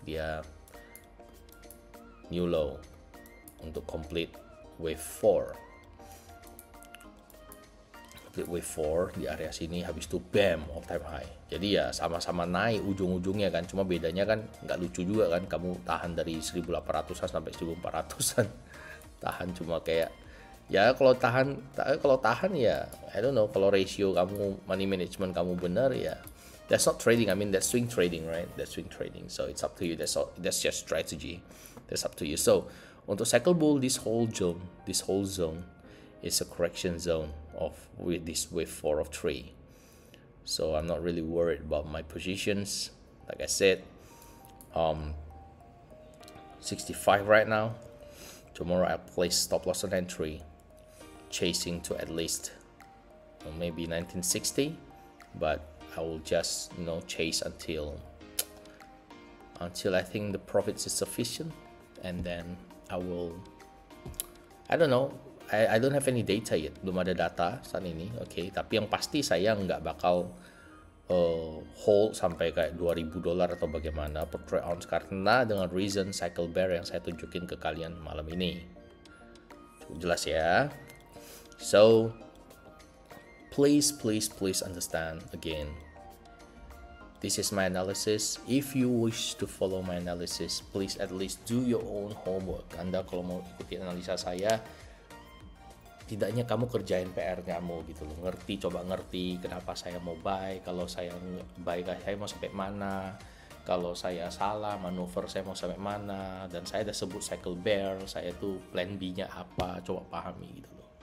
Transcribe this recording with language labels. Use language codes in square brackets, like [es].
[id] Dia new low untuk complete wave 4. Complete wave 4 di area sini habis itu bam all time high. Jadi ya sama-sama naik ujung-ujungnya kan. Cuma bedanya kan nggak lucu juga kan. Kamu tahan dari 1800-an sampai 1400-an. Tahan cuma kayak, ya kalau tahan ya, [en] I don't know, [id] kalau ratio kamu, money management kamu benar ya, [en] that's not trading, I mean that's swing trading, right? That's swing trading, so it's up to you, that's just strategy, that's up to you. So, untuk cycle bull, this whole zone is a correction zone of with this wave 4 of 3. So, I'm not really worried about my positions, like I said, 65 right now. Tomorrow I place stop loss on entry, chasing to at least, well, maybe 1960, but I will just, you know, chase until I think the profits is sufficient, and then I will, I don't know, I don't have any data yet, [id] belum ada data saat ini, [en] okay. [id] Tapi yang pasti saya nggak bakal hold sampai kayak $2,000 atau bagaimana per troy ounce, karena dengan reason cycle bear yang saya tunjukin ke kalian malam ini. Cukup jelas ya. [en] So please understand again, this is my analysis. If you wish to follow my analysis, please at least do your own homework. [id] Anda kalau mau ikuti analisa saya, tidaknya kamu kerjain PR kamu gitu loh, ngerti, coba ngerti kenapa saya mau buy, kalau saya buy saya mau sampai mana, kalau saya salah manuver saya mau sampai mana, dan saya ada sebut cycle bear, saya tuh plan B-nya apa, coba pahami gitu loh.